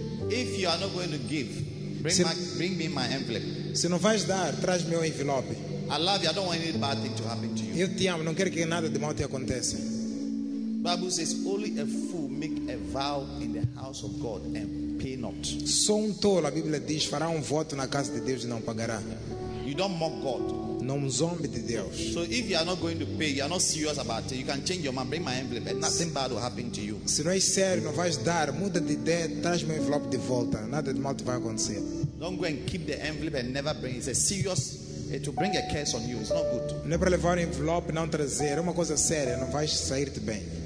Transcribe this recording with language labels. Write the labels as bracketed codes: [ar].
[en] If you are not going to give, bring me my envelope. [pt] Se não vais dar, traz meu envelope. [en] I love you. I don't want any bad thing to happen to you. [pt] Eu te amo. Não quero que nada de mal te aconteça. [en] Bible says only a fool make a vow in the house of God and pay not. [pt] Só tolo, a Bíblia diz, fará voto na casa de Deus e não pagará. [en] You don't mock God. [pt] Não zombe de Deus. [en] So if you are not going to pay, you are not serious about it, you can change your mind, bring my envelope, and nothing bad will happen to you. [pt] Se não é sério, não vais dar, muda de ideia, traz meu envelope de volta, nada de mal te vai acontecer. [en] Don't go and keep the envelope and never bring it. It's a serious, it will bring a curse on you. It's not good. [pt] Não é para levar o envelope e não trazer, é uma coisa séria, não vais sair-te bem.